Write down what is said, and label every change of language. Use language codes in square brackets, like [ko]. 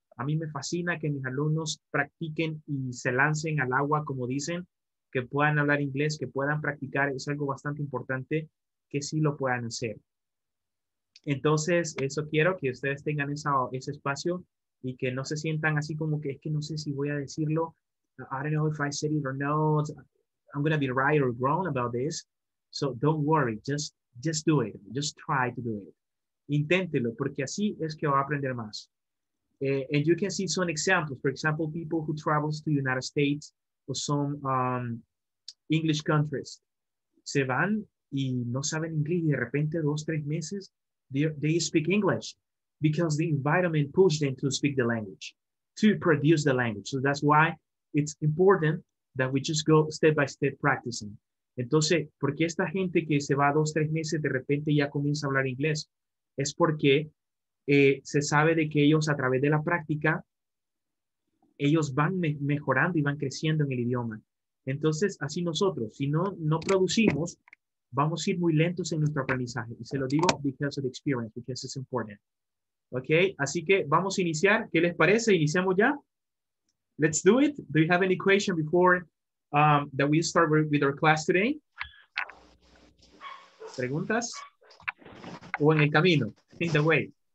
[es] A mí me fascina que mis alumnos practiquen y se lancen al agua, como dicen, que puedan hablar inglés, que puedan practicar. Es algo bastante importante que sí lo puedan hacer. Entonces, eso quiero, que ustedes tengan ese espacio y que no se sientan así como que es que no sé si voy a decirlo. [en] I don't know if I said it or not. I'm going to be right or wrong about this. So don't worry, just do it. Just try to do it. [es] Inténtelo, porque así es que va a aprender más. [en] And you can see some examples. For example, people who travel to the United States or some English countries. [es] Se van y no saben inglés y de repente dos, tres meses, [en] they speak English because the environment pushed them to speak the language, to produce the language. So that's why it's important that we just go step by step practicing. [es] Entonces, ¿por qué esta gente que se va dos, tres meses de repente ya comienza a hablar inglés? Es porque se sabe de que ellos a través de la práctica, ellos van mejorando y van creciendo en el idioma. Entonces, así nosotros, si no producimos, vamos a ir muy lentos en nuestro aprendizaje. Y se lo digo [en] because of the experience, because it's important. [es] Ok, así que vamos a iniciar. ¿Qué les parece? ¿Iniciamos ya? [en] Let's do it. Do you have any question before that we start with our class today? [es] ¿Preguntas? ¿O en el camino? [en] In the way.